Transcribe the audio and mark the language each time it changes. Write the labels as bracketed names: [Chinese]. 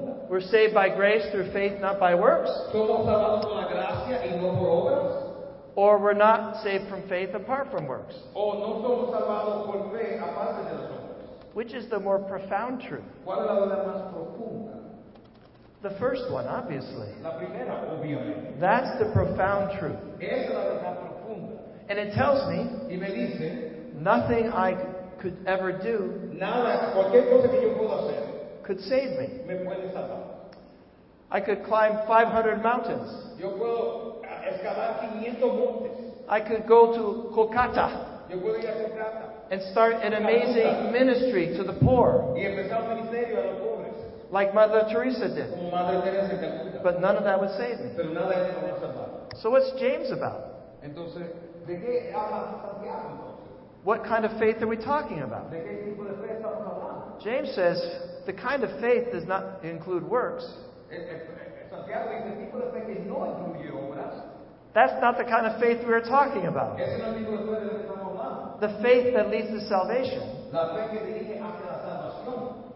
[English] We're saved by grace through faith, not by works. [Spanish] Somos salvados por la gracia y no por obras. [English] Or we're not saved from faith apart from works. [Spanish] O no somos salvados por fe aparte de las obras. [English] Which is the more profound truth? [Spanish] ¿Cuál es la verdad más profunda? [English] The first one, obviously. [Spanish] La primera, obviamente. [English] That's the profound truth. [Spanish] Esa es la verdad profunda. [English] And it tells me, [Spanish] y me dice, [English] nothing I could ever do [Spanish] nada, cualquier cosa que yo pueda hacer, [English] could save me. [Spanish] Me puede salvar. [English] I could climb 500 mountains. [Spanish] Yo puedo escalar 500 montes. [English] I could go to Kolkata. [Spanish] Yo puedo ir a Kolkata. [English] And start an amazing ministry to the poor. [Spanish] Y empezar un ministerio a los pobres. [English] Like Mother Teresa did. [Spanish] Como Madre Teresa de Calcuta. [English] But none of that would save me. [Spanish] Pero nada de eso me salvaba. [English] So what's James about? [Spanish] Entonces, ¿de qué habla Santiago? [English] What kind of faith are we talking about? [Spanish] ¿De qué tipo de fe estamos hablando? [English] James says, the kind of faith does not include works. [Spanish] Santiago dice, el tipo de fe que no incluye obras. [English] That's not the kind of faith we are talking about. [Spanish] Es el tipo de fe que [English] the faith that leads to salvation. [Spanish] La fe que dirige hacia la salvación.